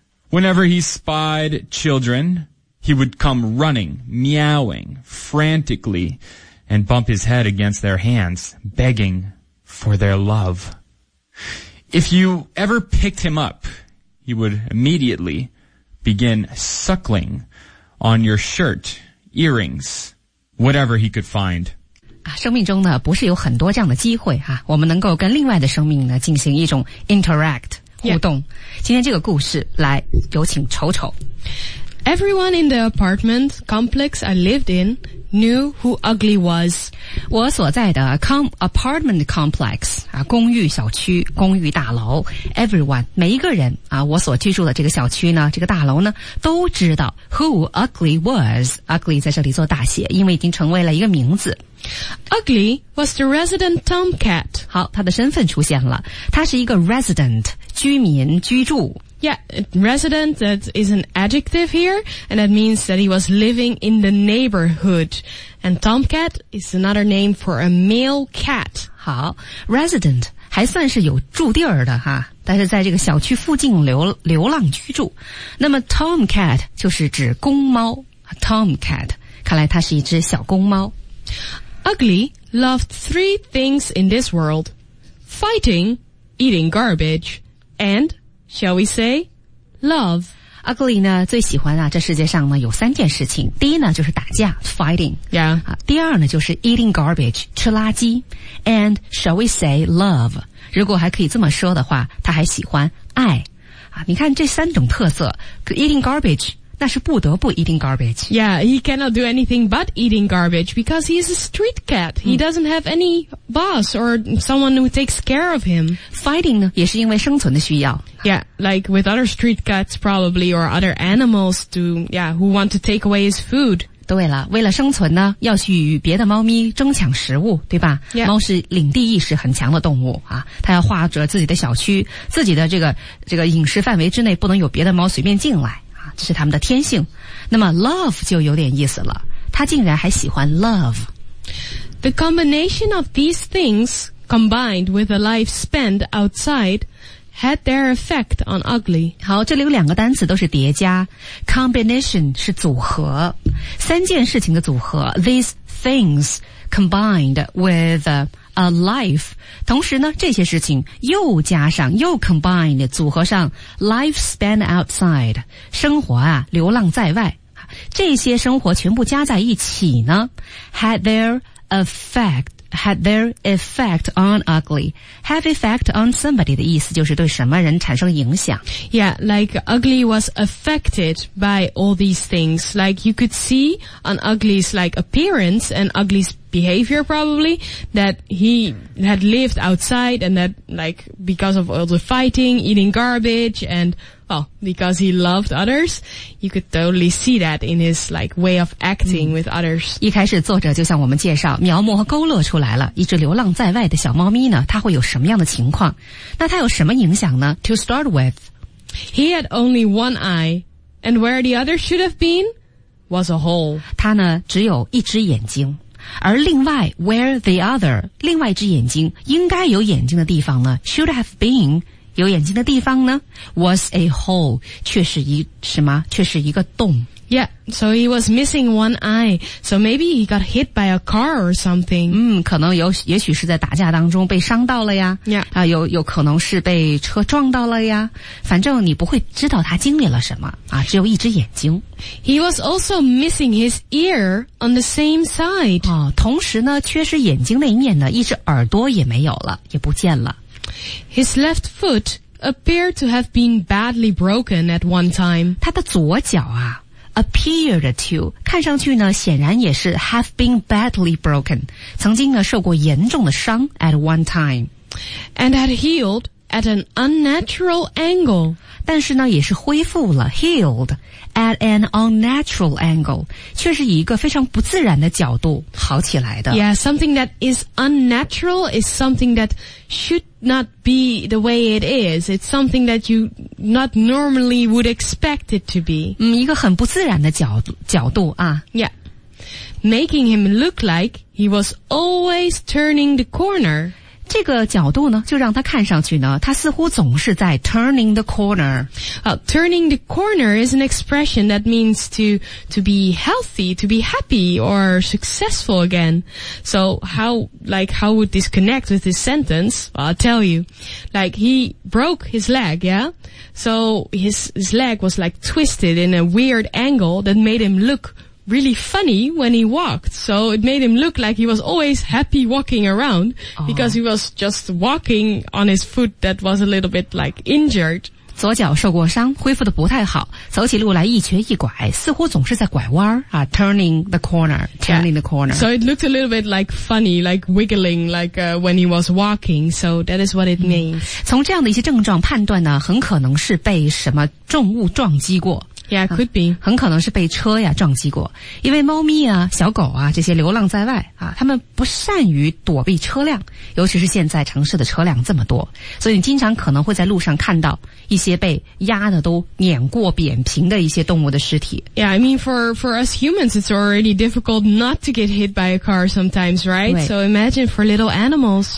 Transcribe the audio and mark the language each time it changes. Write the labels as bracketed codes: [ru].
[en] Whenever he spied children, he would come running, meowing frantically, and bump his head against their hands, begging for their love. If you ever picked him up, he would immediately begin suckling on your shirt, earrings, whatever he could find. [zh] 生命中呢不是有很多这样的机会啊，我们能够跟另外的生命呢进行一种 interact 互动。 [en] Yeah. [zh] 今天这个故事来有请丑丑。 [en] Everyone in the apartment complex I lived in knew who Ugly was. [zh] 我所在的 [en] apartment complex, [zh] 啊公寓小区公寓大楼 , [en] everyone, [zh] 每一个人啊我所居住的这个小区呢这个大楼呢都知道 [en] who Ugly was. [zh] Ugly 在这里做大写因为已经成为了一个名字。 [en] Ugly was the resident tomcat. [zh] 好他的身份出现了。他是一个 resident, 居民居住。 [en] Yeah, resident, that is an adjective here, and that means that he was living in the neighborhood. And tomcat is another name for a male cat. [zh] 好 ,resident, 还算是有住地儿的哈，但是在这个小区附近流浪居住。那么 tomcat 就是指公猫 ,tomcat, 看来它是一只小公猫。 [en] Ugly loved three things in this world, fighting, eating garbage, andShall we say, love? [zh] Ugly 呢最喜欢啊这世界上呢有三件事情。第一呢就是打架 ,fighting. [en] Yeah.、 [zh] 啊、第二呢就是 [en] eating garbage, [zh] 吃垃圾。 [en] And shall we say, love? [zh] 如果还可以这么说的话他还喜欢爱。啊、你看这三种特色 , [en] eating garbage, [zh] 那是不得不 eating garbage. [en] Yeah, he cannot do anything but eating garbage because he is a street cat. He doesn't have any boss or someone who takes care of him. [zh] Fighting 呢也是因为生存的需要。 [en] Yeah, like with other street cats probably or other animals to, yeah, who want to take away his food. [zh] 对了为了生存呢要去与别的猫咪争抢食物对吧、 [en] yeah. [zh] 猫是领地意识很强的动物啊它要划着自己的小区自己的这个饮食范围之内不能有别的猫随便进来啊这是它们的天性。那么 love 就有点意思了它竟然还喜欢 love. [en] The combination of these things combined with a life spent outside,had their effect on Ugly. [zh] 好这里有两个单词都是叠加 Combination 是组合三件事情的组合 [en] These things combined with a life [zh] 同时呢这些事情又加上又 combined 组合上 [en] Life span outside [zh] 生活啊流浪在外这些生活全部加在一起呢 [en] had their effect on Ugly. Have effect on somebody [zh] 的意思就是对什么人产生影响。 [en] Yeah, like Ugly was affected by all these things. Like you could see on Ugly's like appearance and Ugly's behavior probably that he had lived outside and that like because of all the fighting, eating garbage and well, because he loved others, you could totally see that in his like way of acting with others. [zh] 一开始作者就向我们介绍描摹和勾勒出来了一只流浪在外的小猫咪呢它会有什么样的情况那它有什么影响呢 [en] To start with, he had only one eye and where the other should have been was a hole. [zh] 它呢只有一只眼睛而另外 [en] where the other, [zh] 另外一只眼睛应该有眼睛的地方呢 [en] should have been, [zh] 有眼睛的地方呢 [en] was a hole, [zh] 却是一个洞。 [en] Yeah, so he was missing one eye. So maybe he got hit by a car or something. [zh] 可能有也许是在打架当中被伤到了呀。 [en] Yeah. [zh] 有可能是被车撞到了呀。反正你不会知道他经历了什么啊，只有一只眼睛。 [en] He was also missing his ear on the same side. [zh] 哦，同时呢，缺失眼睛那一面呢，一只耳朵也没有了，也不见了。 [en] His left foot appeared to have been badly broken at one time. [zh] 他的左脚啊。 [en] Appeared to [zh] 看上去呢显然也是 [en] have been badly broken [zh] 曾经呢受过严重的伤 [en] at one time and had healed at an unnatural angle [zh] 但是呢也是恢复了 [en] healed at an unnatural angle [zh] 却是以一个非常不自然的角度好起来的 [en] Yeah, something that is unnatural is something that should not be the way it is. It's something that you not normally would expect it to be. [zh] 一个很不自然的角度啊。 [en] Yeah. Making him look like he was always turning the corner. [zh] 这个角度呢就让他看上去呢他似乎总是在 [en] turning the corner. Turning the corner is an expression that means to be healthy, to be happy or successful again. So how would this connect with this sentence? Well, I'll tell you. Like he broke his leg, yeah? So his leg was like twisted in a weird angle that made him look really funny when he walked. So it made him look like he was always happy walking around because he was just walking on his foot that was a little bit like injured. [zh] 左脚受过伤恢复得不太好走起路来一瘸一拐似乎总是在拐弯啊 [en] turning the corner. So it looked a little bit like funny, like wiggling, when he was walking. So that is what it means. [zh] 从这样的一些症状判断呢很可能是被什么重物撞击过。 [en] Yeah, could be. [zh] 很可能是被车呀撞击过。因为猫咪啊小狗啊这些流浪在外啊他们不善于躲避车辆尤其是现在城市的车辆这么多。所以你经常可能会在路上看到一些被压得都碾过扁平的一些动物的尸体。 [en] Yeah, I mean for us humans, it's already difficult not to get hit by a car sometimes, right? So imagine for little animals.